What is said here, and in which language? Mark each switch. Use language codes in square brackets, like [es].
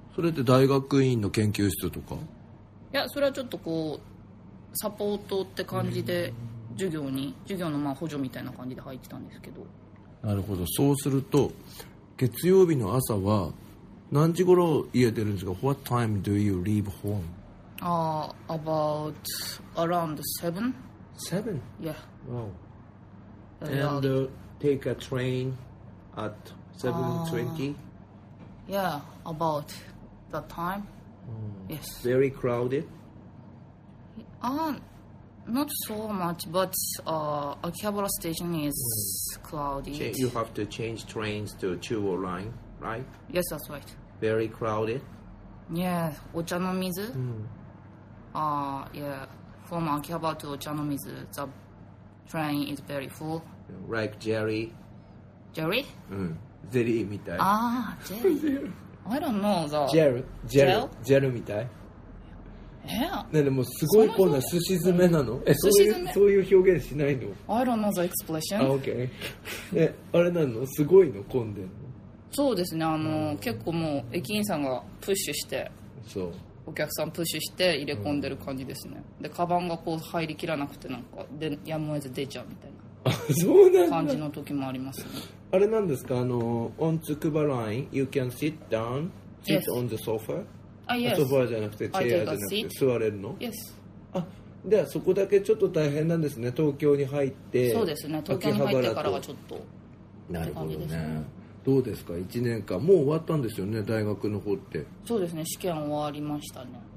[ja] それって大学院の研究室とか？いや、それはちょっとこうサポートって感じで、授業に、授業のまあ補助みたいな感じで入ってたんですけど。なるほど。そうすると月曜日の朝は何時頃家出るんですか？ [en] What time do you leave home? About around 7. 7? Yeah. Wow. And take a train at 7:20? Yeah, about that time. Yes. Very crowded? Not so much, but Akihabara station is crowded. You have to change trains to Chuo line, right? Yes, that's right. Very crowded? Yeah, お茶の水? Yeah, from Akihaba to Chanomizu, the train is very full. Like jelly. Jelly? [ja] うん。ゼリーみたい。ああ、ジェリー。 [en] I don't know the... [ja] ジェルみたい。ね、でもすごいこんなすし詰めなの？え、そういう表現しないの？ [en] I don't know the expression. [ja] OK。 え、あれなの？すごいの？混んでんの？そうですね。結構もう駅員さんがプッシュして、そう。お客さんプッシュして入れ込んでる感じですね。で、カバンがこう入りきらなくてなんかでやむを得ず出ちゃうみたいな。そうなんだ。感じの時もありますね。あれなんですか？ [en] on to Kuba line, you can sit down, sit on the sofa. Yes. [ja] ソファーじゃなくてチェアじゃなくて座れるの、 [en] yes. [ja] あ、ではそこだけちょっと大変なんですね。東京に入って、そうですね、東京に入ってからはちょっと、なるほどね。どうですか、1年間もう終わったんですよね、大学の方って。そうですね、試験終わりましたね。